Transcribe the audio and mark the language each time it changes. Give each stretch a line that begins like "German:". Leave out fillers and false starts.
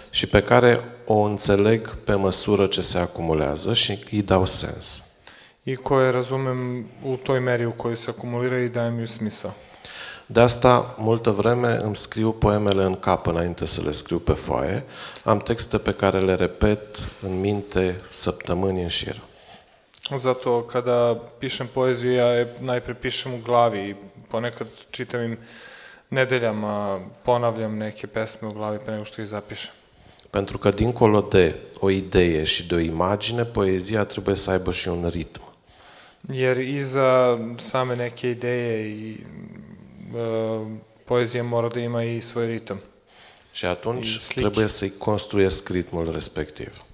Romanian: Și pe care o înțeleg pe măsură ce se acumulează și îi dau sens.
Serbian: I koje razumem u toj meri u kojoj se akumulira i dajem ju smisao.
Romanian: De asta multă vreme îmi scriu poemele în cap înainte să le scriu pe foaie. Am texte pe care le repet în minte săptămâni în șir.
Serbian: Zato kada pišem poeziju, ja je najpre pišem u glavi. Ponekad čitam im nedeljama, ponavljam neke pesme u glavi pre nego što ih zapišem.
Romanian: Pentru că dincolo de o idee și de o imagine, poezia trebuie să aibă și un ritm.
Serbian: Jer iza same neke ideje i poezia mora da ima i svoj ritm.
Romanian: Și atunci trebuie să-i construiesc ritmul respectiv.